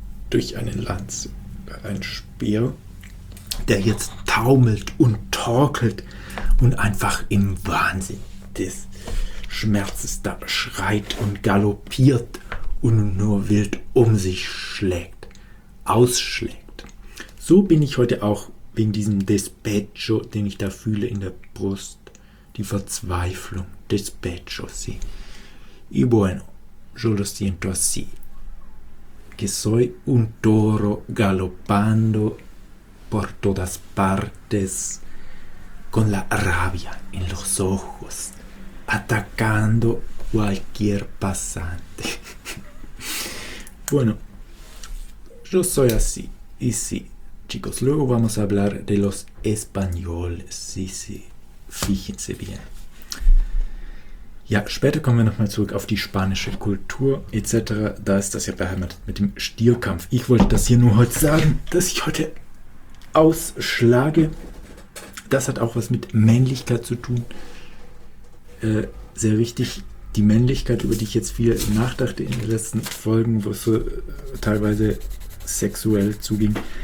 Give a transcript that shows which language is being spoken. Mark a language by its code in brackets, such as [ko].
[de] durch eine Lanze, ein Speer, der jetzt taumelt und torkelt und einfach im Wahnsinn des Schmerzes da schreit und galoppiert und nur wild um sich schlägt, ausschlägt. So bin ich heute auch wegen diesem Despecho, den ich da fühle in der Brust, die Verzweiflung, Despecho, sí. [es] Y bueno, yo lo siento así. Que soy un toro galopando por todas partes con la rabia en los ojos, atacando cualquier pasante. Bueno, yo soy así. Y sí, chicos, luego vamos a hablar de los españoles. Sí, sí, fíjense bien. [de] Ja, später kommen wir nochmal zurück auf die spanische Kultur etc. Da ist das ja beheimatet mit dem Stierkampf. Ich wollte das hier nur heute sagen, dass ich heute ausschlage. Das hat auch was mit Männlichkeit zu tun. Sehr wichtig, die Männlichkeit, über die ich jetzt viel nachdachte in den letzten Folgen, wo es so teilweise sexuell zuging.